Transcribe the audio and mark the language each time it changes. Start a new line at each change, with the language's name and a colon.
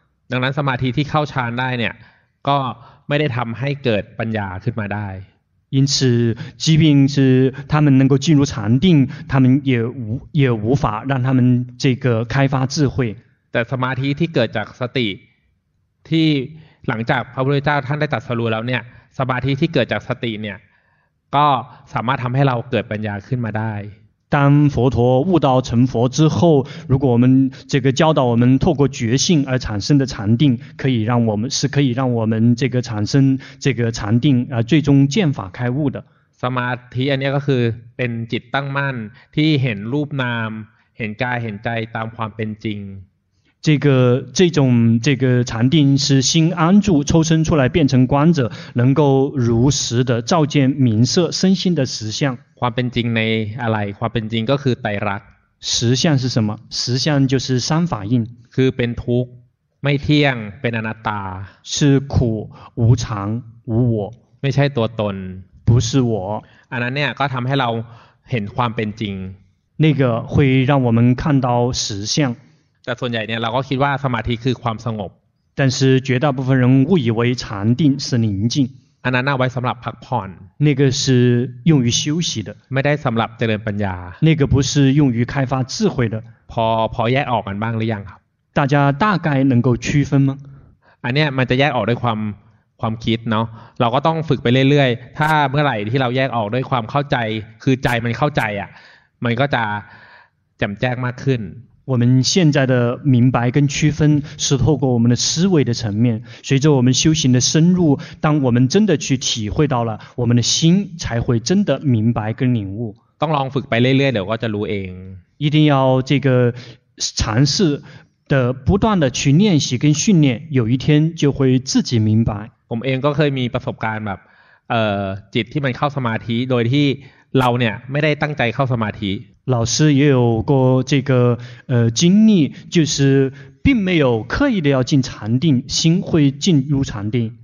Thai: ดังนั้นสมาธิที่เข้าฌานได้เนี่ยก็ไม่ได้ทำให้เกิดปัญญาขึ้นมาได้
Chinese: 因此疾病是他们能够进入禅定他们也无法让他们这个开发智慧
Thai: แต่สมาธิที่เกิดจากสติที่หลังจากพระพุทธเจ้าท่านได้ตรัสรู้แล้วเนี่ยสมาธิที่เกิดจากสติเนี่ยก็สามารถทำให้เราเกิดปัญญาขึ้นมาได้
Chinese: 当佛陀悟道成佛之后如果我们这个教导我们透过觉性而产生的禅定可以让我们是可以让我们这个产生这个禅定最终见法开悟的
Thai: สมาธิอันนี้ก็คือเป็นจิตตั้งมั่นที่เห็นรูปนามเห็นกายเห็นใจตามความเป็นจริง
Chinese: 这种禅定是心安住抽身出来变成观者能够如实的照见明色身心的实相
Thai: ความเป็นจริงในอะไรความเป็นจริงก็คือไตรลักษณ์
Chinese: 实相是什么实相就是三法印
Thai: คือเป็นทุกข์ไม่เที่ยงเป็นอนัตตา
Chinese: 是苦无常无我
Thai: ไม่ใช่ตัวตน
Chinese: 不是我
Thai: อันนั้นเนี่ยก็ทำให้เราเห็นความเป็นจริง
Chinese: 那个会让我们看到实相
Thai: แต่ส่วนใหญ่เนี่ยเราก็คิดว่าสมาธิคือความสงบ
Chinese: 但是绝大部分人误以为禅定是宁静
Thai: อันนั้นเอาไว้สำหรับพักผ่อน
Chinese: 那个是用于休息的
Thai: ไม่ได้สำหรับเจริญปัญญา
Chinese: 那个不是用于开发智慧的
Thai: พอแยกออกกันบ้างหรือยังครับ
Chinese: 大家大概能够区分吗
Thai: อันนี้มันจะแยกออกด้วยความคิดเนาะเราก็ต้องฝึกไปเรื่อยๆถ้าเมื่อไหร่ที่เราแยกออกด้วยความเข้าใจคือใจมันเข้าใจอ่ะมันก็จะแจ่มแจ้งมากขึ้น
Chinese: 我们现在的明白跟区分是透过我们的思维的层面，随着我们修行的深入，当我们真的去体会到了，我们的心才会真的明白跟领悟。
Thai: ต้องลองฝึกไปเรื่อยๆเดี๋ยวก็จะรู้เอง。
Chinese: 一定要这个尝试的不断的去练习跟训练，有一天就会自己明白。
Thai: ผมเองก็เคยมีประสบการณ์แบบจิตที่มันเข้าสมาธิโดยที่เราเนี่ยไม่ได้ตั้งใจเข้าสมาธิ
Chinese: 老师也有过这个经历，就是并没有刻意的要进禅定，心会进入禅定。